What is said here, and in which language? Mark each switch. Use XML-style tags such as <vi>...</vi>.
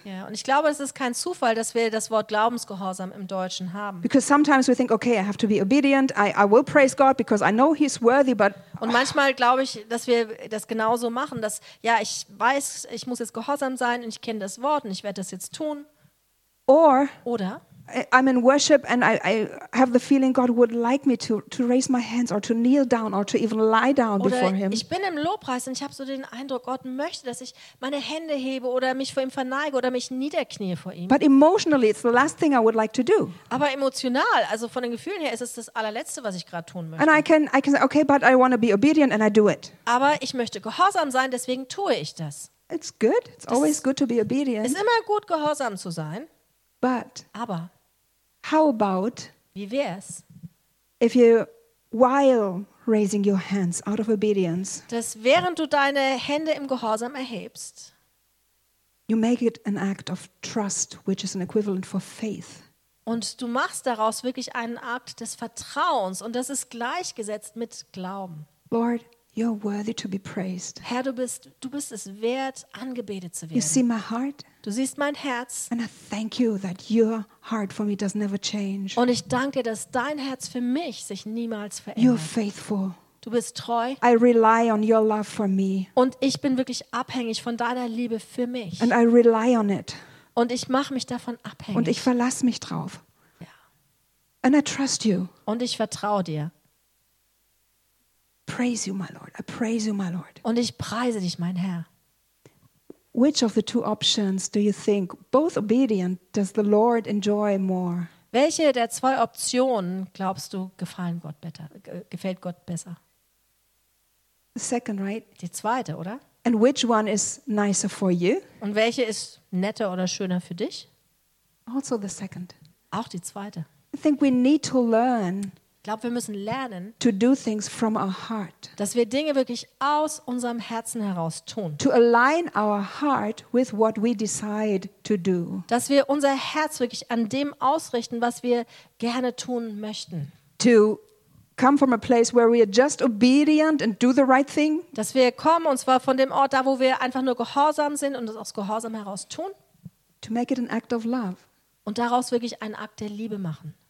<de>Ja, und ich glaube, es ist kein Zufall, dass wir das Wort Glaubensgehorsam im Deutschen haben.</de> <en>Because sometimes we think, okay, I have to be obedient. I will praise God because I know he's worthy, but</en> <de>und manchmal glaube ich, dass wir das genauso machen, dass ja, ich weiß, ich muss jetzt gehorsam sein und ich kenne das Wort und ich werde das jetzt tun.</de> <en>Oder I'm in worship and I have the feeling God would like me to raise my hands or to kneel down or to even lie down before him.</en> <de>Ich bin im Lobpreis und ich habe so den Eindruck, Gott möchte, dass ich meine Hände hebe oder mich vor ihm verneige oder mich niederknie vor ihm.</de> <en>But emotionally it's the last thing I would like to do.</en> <de>Aber emotional, also von den Gefühlen her, ist es das allerletzte, was ich gerade tun möchte.</de> <en>And I can say, okay, but I want to be obedient and I do it.</en> <de>Aber ich möchte gehorsam sein, deswegen tue ich das.</de> <en>It's good. It's always good to be obedient.</en> <de>Es ist immer gut, gehorsam zu sein.</de> <en>But</en> <de>aber</de> <en>how about,</en> <de>wie wär's,</de> <en>if you, while raising your hands out of obedience,</en> <de>dass während du deine Hände im Gehorsam erhebst,</de> <en>you make it an act of trust, which is an equivalent for faith.</en> <de>Und du machst daraus wirklich einen Akt des Vertrauens und das ist gleichgesetzt mit Glauben.</de> <en>Lord, you're worthy to be praised.</en> <de>Herr, du bist es wert, angebetet zu werden.</de> <en>You see my heart?</en> <de>Du siehst mein Herz.</de> <en>And I thank you that your heart for me does never change.</en> <de>Und ich danke, dass dein Herz für mich sich niemals verändert.</de> <en>You're faithful.</en> <de>Du bist treu.</de> <en>I rely on your love for me.</en> <de>Und ich bin wirklich abhängig von deiner Liebe für mich.</de> <en>And I rely on it.</en> <de>Und ich mache mich davon abhängig. Und ich verlasse mich drauf. Ja.</de> <en>And I trust you.</en> <de>Und ich vertraue dir.</de> <en>Praise you, my Lord. I praise you, my Lord.</en> <de>Und ich preise dich, mein Herr.</de> <en>Which of the two options do you think, both obedient, does the Lord enjoy more?</en> <de>Welche der zwei Optionen glaubst du gefällt Gott besser?</de> <en>The second, right?</en> <de>Die zweite, oder?</de> <en>And which one is nicer for you?</en> <de>Und welche ist netter oder schöner für dich?</de> <en>Also the second.</en> <de>Auch die zweite.</de> <en>I think we need to learn.</en> <de>Ich glaube, wir müssen lernen,</de> <en>to do things from our heart.</en> <de>Dass wir Dinge wirklich aus unserem Herzen heraus tun.</de> <en>To align our heart with what we decide to do.</en> <de>Dass wir unser Herz wirklich an dem ausrichten, was wir gerne tun möchten.</de> <en>To come from a place where we are just obedient and do the right thing.</en> <de>Dass wir kommen und zwar von dem Ort da, wo wir einfach nur gehorsam sind und es aus Gehorsam heraus tun.</de> <en>To make it an act of love.</en> <de>Und daraus wirklich einen Akt der Liebe machen.</de>